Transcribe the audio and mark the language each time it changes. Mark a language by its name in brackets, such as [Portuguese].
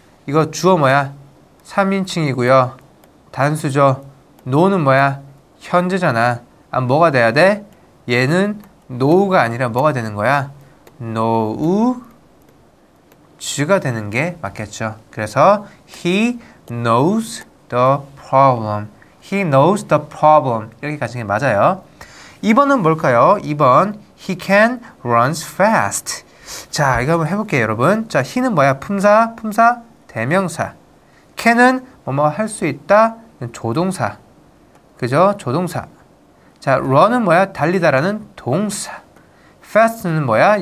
[Korean] 이거 주어 뭐야? 3인칭이고요. 단수죠. 노는 뭐야? 현재잖아. 아, 뭐가 돼야 돼? 얘는 노우가 아니라 뭐가 되는 거야? 노우 주가 되는 게 맞겠죠. [English] 그래서 he knows the problem. He knows the problem. [Korean] 이렇게 가시는 게 맞아요. 2번은 뭘까요? 2번 [English] he can runs fast. [Korean] 자, 이거 한번 해볼게요, 여러분. 자, he는 뭐야? 품사, 품사, 대명사. can은 뭐뭐 할수 있다, 조동사. 그죠? 조동사. 자, run은 뭐야? 달리다라는 동사. fast는 뭐야?